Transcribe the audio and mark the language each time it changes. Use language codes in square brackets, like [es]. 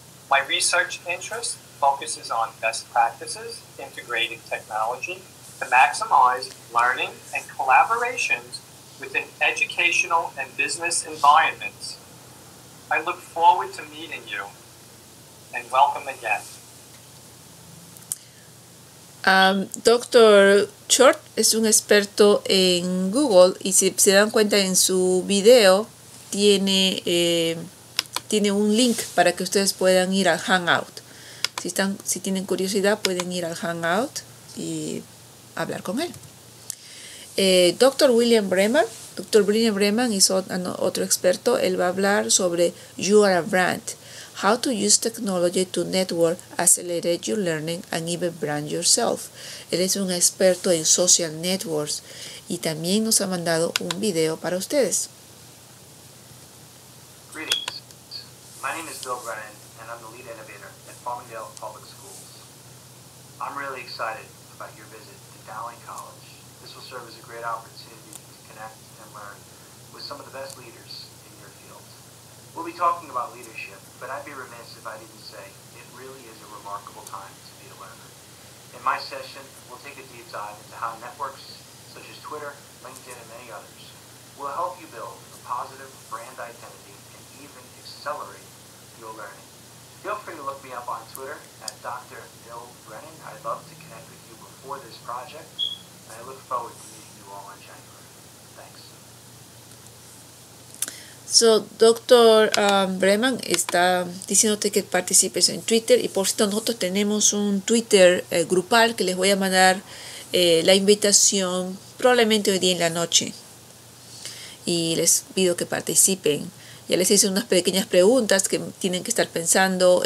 [en] My research interest focuses on best practices, integrated technology, to maximize learning and collaborations within educational and business environments. I look forward to meeting you, and welcome again. Dr. [es] Short es un experto en Google, y si se dan cuenta en su video, tiene un link para que ustedes puedan ir al Hangout. Si tienen curiosidad, pueden ir al Hangout y hablar con él. Dr. William Bremer. Dr. William Bremer es otro experto. Él va a hablar sobre You Are a Brand, How to Use Technology to Network, Accelerate Your Learning, and Even Brand Yourself. Él es un experto en social networks y también nos ha mandado un video para ustedes. [en] My name is Bill Brennan, and I'm the lead innovator at Farmingdale Public Schools. I'm really excited about your visit to Dowling College. This will serve as a great opportunity to connect and learn with some of the best leaders in your field. We'll be talking about leadership, but I'd be remiss if I didn't say it really is a remarkable time to be a learner. In my session, we'll take a deep dive into how networks such as Twitter, LinkedIn, and many others will help you build a positive brand identity and even accelerate your learning. Feel free to look me up on Twitter at Dr. Bill Brennan. I'd love to connect with you before this project, and I look forward to meeting you all in January. Thanks. So, Dr. [es] Breman está diciéndote que participes en Twitter, y por cierto, nosotros tenemos un Twitter grupal que les voy a mandar la invitación probablemente hoy día en la noche. Y les pido que participen. Ya les hice unas pequeñas preguntas que tienen que estar pensando.